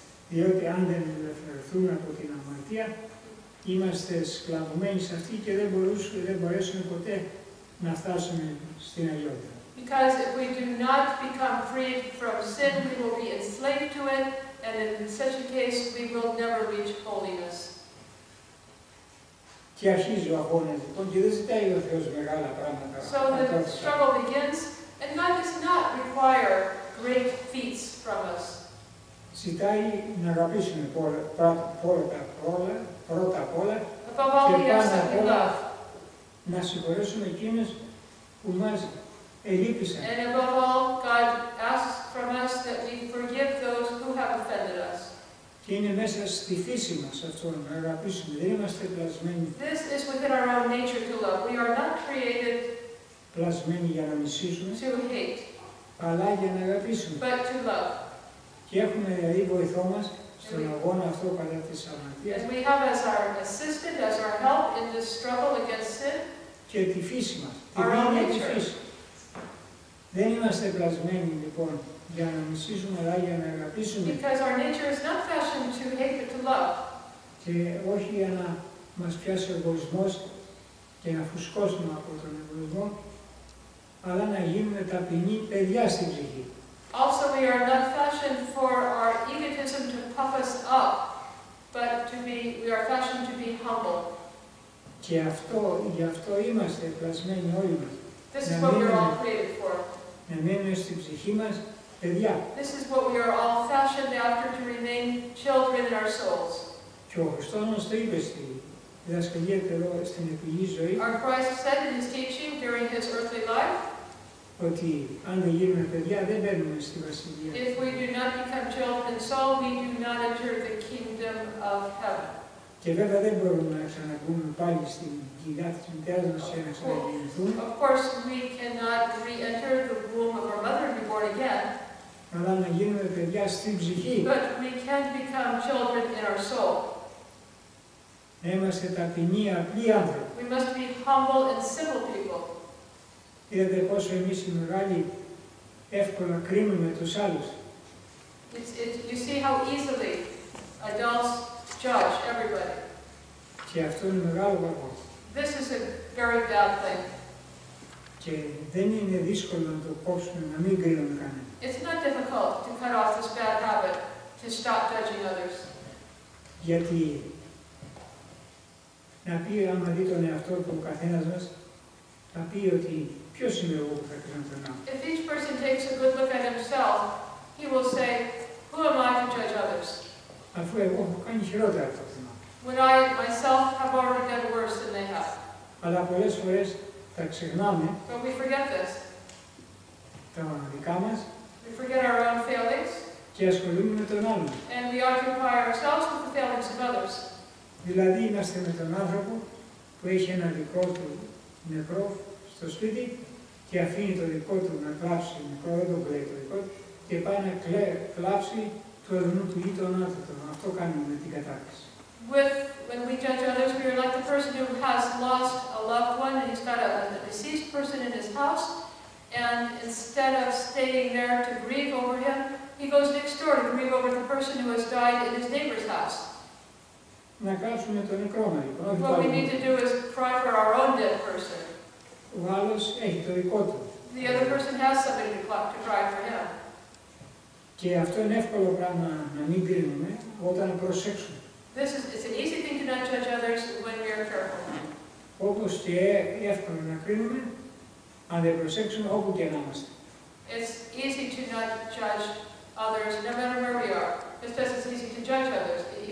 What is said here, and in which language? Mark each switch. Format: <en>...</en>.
<el>Διότι αν δεν ελευθερωθούμε από την αμαρτία, είμαστε σκλαβωμένοι σε αυτή και δεν μπορέσουμε ποτέ να φτάσουμε στην αγιότητα.</el> <en>Because if we do not become freed from sin, we will be enslaved to it, and in such a case, we will never reach holiness.</en> <el>Και αρχίζει ο αγώνας, λοιπόν, και δεν ζητάει ο Θεός μεγάλα πράγματα.</el> <en>So the struggle begins, and God does not require great feats from us.</en> <el>Ζητάει να αγαπήσουμε πρώτα απ' όλα, και πάνω απ' όλα, να συγχωρέσουμε εκείνες που μας ελείπησαν.</el> <en>And above all, God asks from us that we forgive those who have offended us.</en> <el>Και είναι μέσα στη φύση μας αυτό να αγαπήσουμε. Δεν είμαστε πλασμένοι.</el> <en>This is within our own nature to love. We are not created</en> <el>πλασμένοι για να μισήσουμε,</el> <en>to hate,</en> <el>αλλά για να αγαπήσουμε.</el> <en>But to love.</en> <el>Και έχουμε δηλαδή βοηθό μας στον αγώνα αυτό κατά της αμαρτίας.</el> <en>And we have as our assistant, as our help in this struggle against sin.</en> <el>Και τη φύση μας.</el> <en>Our own nature.</en> <el>Δεν είμαστε πλασμένοι λοιπόν για να μισήσουμε αλλά για να αγαπήσουμε.</el> <en>Because our nature is not fashioned to hate but to love.</en> <el>Και όχι για να μας πιάσει ο εγωισμός και να φουσκώσουμε από τον εγωισμό, αλλά να γίνουμε ταπεινοί παιδιά στην ψυχή.</el> <en>Also we are not fashioned for our egotism to puff us up, but we are fashioned to be humble.</en> <el>Και αυτό, γι' αυτό είμαστε πλασμένοι όλοι μας.</el> <en>This is what we are all created for.</en> <el>Να μένουμε στην ψυχή μας παιδιά.</el> <en>This is what we are all fashioned after, to remain children in our souls.</en> <el>Και ο Χριστός μας το είπε στη διδασκαλία εδώ στην επιγή ζωή.</el> <en>Our Christ said in his teaching during his earthly life.</en> <el>Ότι αν δεν γίνουμε παιδιά δεν μπαίνουμε στη βασιλεία.</el> <en>If we do not become children in soul, we do not enter the kingdom of heaven.</en> <el>Και βέβαια δεν μπορούμε να ξαναβγούμε πάλι στην κοιλιά της μητέρας μας για να ξαναγεννηθούμε.</el> <en>Of course, we cannot re-enter the womb of our mother and be born again.</en> <el>Αλλά να γίνουμε παιδιά στην ψυχή.</el> <en>But we can become children in our soul.</en> <el>Να είμαστε ταπεινοί, απλοί άνθρωποι.</el> <en>We must be humble and simple people.</en> <el>Είδατε πόσο εμείς οι μεγάλοι εύκολα κρίνουμε τους άλλους.</el> <en>You see how easily adults judge everybody.</en> <el>Και αυτό είναι μεγάλο κακό.</el> <en>This is a very bad thing.</en> <el>Και δεν είναι δύσκολο να το κόψουμε, να μην κρίνουμε κανέναν.</el> <en>It's not difficult to cut off this bad habit, to stop judging others.</en> <el>Γιατί να πει, άμα δει τον εαυτό του ο καθένας μας, θα πει ότι ποιος είμαι εγώ που θα κρίνω τον άλλο.</el> <en>If each person takes a good look at himself, he will say, who am I to judge others?</en> <el>Αφού εγώ έχω κάνει χειρότερα από αυτόν.</el> <en>When I myself have already done worse than they have.</en> <el>Αλλά πολλές φορές τα ξεχνάμε.</el> <en>But we forget this.</en> <el>Τα μοναδικά μας.</el> <en>We forget our own failings.</en> <el>Και ασχολούμαι με τον άλλον.</el> <en>And we occupy ourselves with the failings of others.</en> <el>Δηλαδή είμαστε με τον άνθρωπο που έχει ένα δικό του νεκρό στο σπίτι και αφήνει το δικό του να κλάψει νεκρό, δεν τον κλαίει το δικό του και πάει να κλάψει το αδερφό του ή τον άνθρωπο. Αυτό κάνουμε με την κατάκριση.</el> <en>When we judge others, we are like the person who has lost a loved one and he's got a deceased person in his house and instead of staying there to grieve over him, he goes next door to grieve over the person who has died in his neighbor's house.</en> <el>Να κάψουμε τον νεκρό μας.</el> <en>What we need to do is cry for our own dead person.</en> <el>Ο άλλος έχει το δικό του.</el> <en>The other person has something to cry for him.</en> <el>Και αυτό είναι εύκολο πράγμα να μην κρίνουμε όταν προσέξουμε.</el> <en>It's an easy thing to not judge others when we are careful.</en> <el>Όπως και εύκολο να κρίνουμε αν δεν προσέξουμε όπου και να είμαστε.</el> <en>It's easy to not judge others no matter where we are. It's just as easy to judge others.</en>